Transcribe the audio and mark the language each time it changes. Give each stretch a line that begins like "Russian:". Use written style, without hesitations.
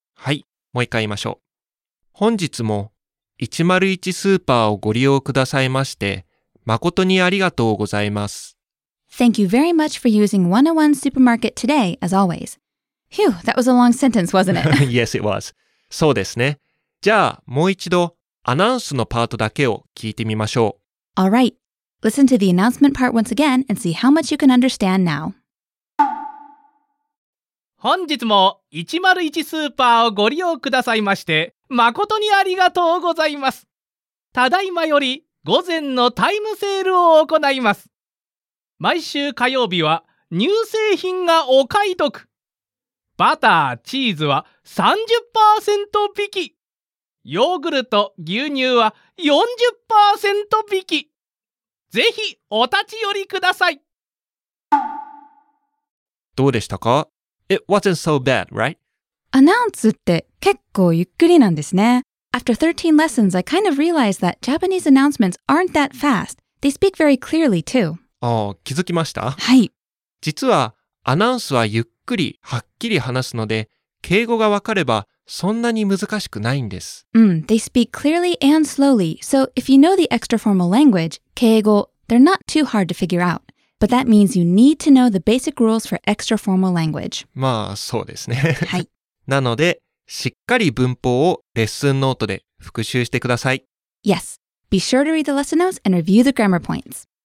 Japanese: はい、もう一回言いましょう。本日も101スーパーをご利用くださいまして誠にありがとうございます。
English: Thank you very much for using 101 supermarket today as always. Phew, that was a long sentence, wasn't it? Yes, it was.
Japanese: そうですね。じゃあ、もう一度、アナウンスのパートだけを聞いてみましょう。
English: All right. Listen to the announcement part once again and see how much you can understand now.
Japanese: 本日も101スーパーをご利用くださいまして、誠にありがとうございます。ただいまより、午前のタイムセールを行います。毎週火曜日は、乳製品がお買い得。バター、チーズは 30% 引き。ヨーグルト、牛乳は 40% 引き。ぜひお立ち寄りください。どうでしたか?
English: It wasn't so bad, right?
Japanese: アナウンスって結構ゆっくりなんですね。
English: After 13 lessons, I kind of realized that Japanese announcements aren't that fast. They speak very clearly, too.
Japanese: ああ、気づきました? はい。実は、アナウンスはゆっくりゆっくりはっきり話すので、敬語がわかればそんなに難しくないんです。
English: うん、they speak clearly and slowly, so if you know the extra formal language, 敬語、they're not too hard to figure out. But that means you need to know the basic rules for extra formal language.
Japanese: まあ、そうですね。はい。なので、しっかり文法をレッスンノートで復習してください。
English: Yes, be sure to read the lesson notes and review the grammar points.